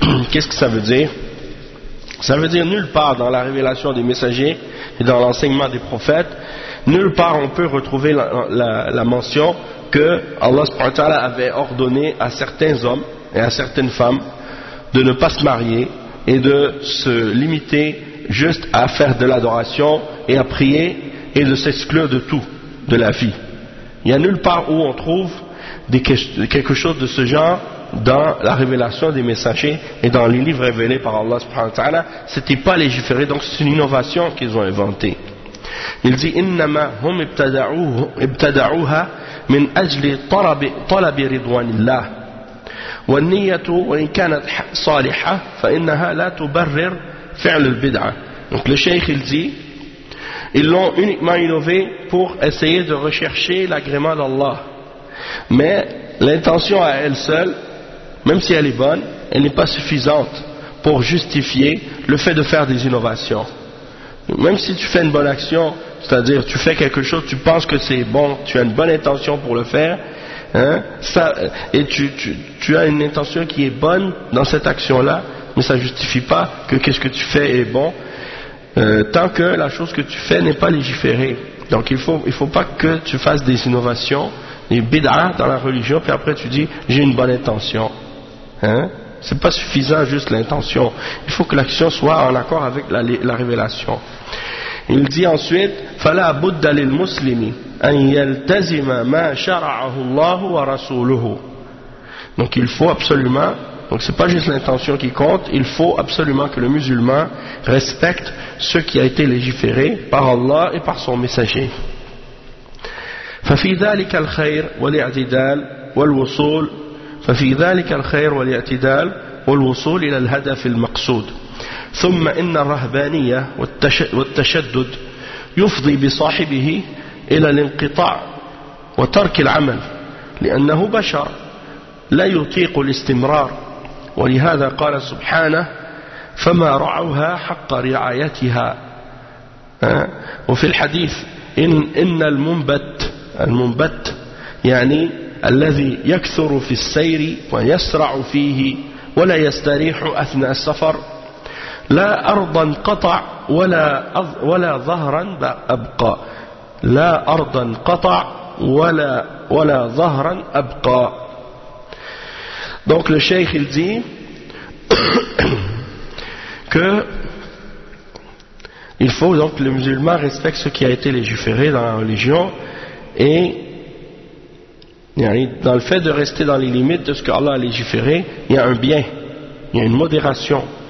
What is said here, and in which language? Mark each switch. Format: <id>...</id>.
<fr>Qu'est-ce que ça veut dire? Ça veut dire nulle part dans la révélation des messagers et dans l'enseignement des prophètes, nulle part on peut retrouver la mention que Allah subhanahu wa ta'ala avait ordonné à certains hommes et à certaines femmes de ne pas se marier et de se limiter juste à faire de l'adoration et à prier et de s'exclure de tout, de la vie. Il n'y a nulle part où on trouve quelque chose de ce genre dans la révélation des messagers et dans les livres révélés par Allah subhanahu wa ta'ala. C'était pas légiféré, donc c'est une innovation qu'ils ont inventée. Il dit</fr> <ar>إنما هم ابتدعوها من أجل طلب رضوان الله والنية وإن كانت صالحة فإنها لا تبرر فعل البدعة.</ar> <fr>Donc le cheikh il dit, ils l'ont uniquement innové pour essayer de rechercher l'agrément d'Allah. Mais l'intention à elle seule, même si elle est bonne, elle n'est pas suffisante pour justifier le fait de faire des innovations. Même si tu fais une bonne action, c'est-à-dire tu fais quelque chose, tu penses que c'est bon, tu as une bonne intention pour le faire, hein, ça, et tu as une intention qui est bonne dans cette action-là, mais ça ne justifie pas que qu'est-ce que tu fais est bon, tant que la chose que tu fais n'est pas légiférée. Donc il faut pas que tu fasses des innovations, des bid'ah dans la religion, puis après tu dis « j'ai une bonne intention hein ». C'est pas suffisant juste l'intention. Il faut que l'action soit en accord avec la révélation. Il dit ensuite:</fr> <ar>فَلَا بُدَّ لِلْمُسْلِمِ أَنْ يَلْتَزِمَ مَا شَرَعَهُ اللَّهُ وَرَسُولُهُ.</ar> <fr>Donc il faut absolument, donc c'est pas juste l'intention qui compte, il faut absolument que le musulman respecte ce qui a été légiféré par Allah et par son messager.</fr> <ar>فَفِي ذَلِكَ الْخَيْرُ وَالِاعْتِدَالُ وَالْوُصُولُ ففي ذلك الخير والاعتدال والوصول إلى الهدف المقصود ثم إن الرهبانية والتشدد يفضي بصاحبه إلى الانقطاع وترك العمل لأنه بشر لا يطيق الاستمرار ولهذا قال سبحانه فما رعوها حق رعايتها. وفي الحديث إن المنبت يعني الذي يكثر في السير ويسرع فيه ولا يستريح أثناء السفر لا أرضا قطع ولا ظهرا أبقى لا أرضا قطع ولا ظهرا أبقى.</ar> <fr>Donc le cheikh il dit que il faut donc le musulman respecte ce qui a été légiféré dans la religion et dans le fait de rester dans les limites de ce qu'Allah a légiféré, il y a un bien, il y a une modération.</fr>